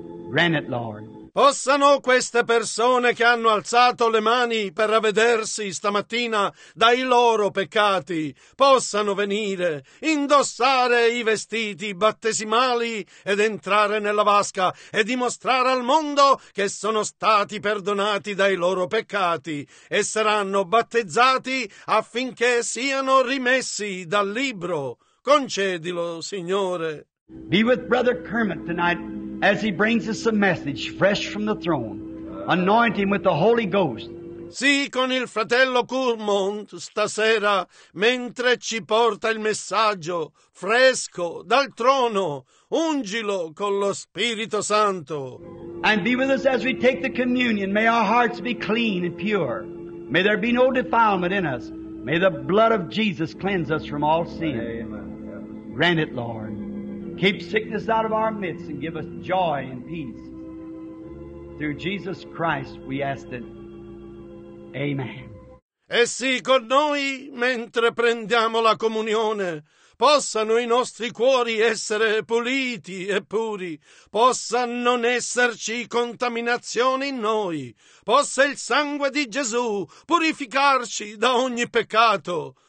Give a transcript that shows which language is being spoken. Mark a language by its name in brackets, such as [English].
[English] Grant it, Lord. [Italian] Possano queste persone che hanno alzato le mani per ravvedersi stamattina dai loro peccati, possano venire, indossare i vestiti battesimali ed entrare nella vasca e dimostrare al mondo che sono stati perdonati dai loro peccati e saranno battezzati affinché siano rimessi dal libro. Concedilo, Signore. [English] Be with Brother Kermit tonight as he brings us a message fresh from the throne. Anoint him with the Holy Ghost. [Italian] Sì, con il fratello Kermit stasera, mentre ci porta il messaggio fresco dal trono, ungilo con lo Spirito Santo. [English] And be with us as we take the communion. May our hearts be clean and pure. May there be no defilement in us. May the blood of Jesus cleanse us from all sin. Amen. Grant it, Lord. Keep sickness out of our midst and give us joy and peace. Through Jesus Christ we ask it. Amen. [Italian] E sì, con noi, mentre prendiamo la comunione, possano i nostri cuori essere puliti e puri, possa non esserci contaminazione in noi, possa il sangue di Gesù purificarci da ogni peccato.